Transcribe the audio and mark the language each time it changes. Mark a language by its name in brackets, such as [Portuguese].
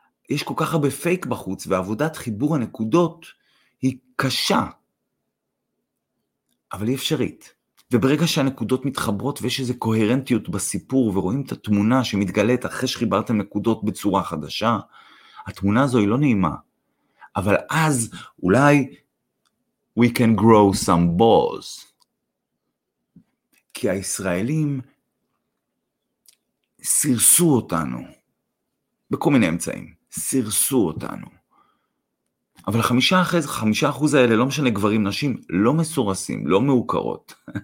[Hebrew] יש כל כך הרבה פייק בחוץ, ועבודת חיבור הנקודות היא קשה. אבל היא אפשרית. וברגע שהנקודות מתחברות, ויש איזו קוהרנטיות בסיפור, ורואים את התמונה שמתגלית אחרי שחיברתם נקודות בצורה חדשה, התמונה הזו היא לא נעימה. אבל אז אולי [English] we can grow some balls. [Hebrew] כי הישראלים סירסו אותנו, בכל מיני אמצעים, סירסו אותנו. אבל 5% האלה, לא משנה גברים, נשים, לא מסורסים, לא מעוקרות.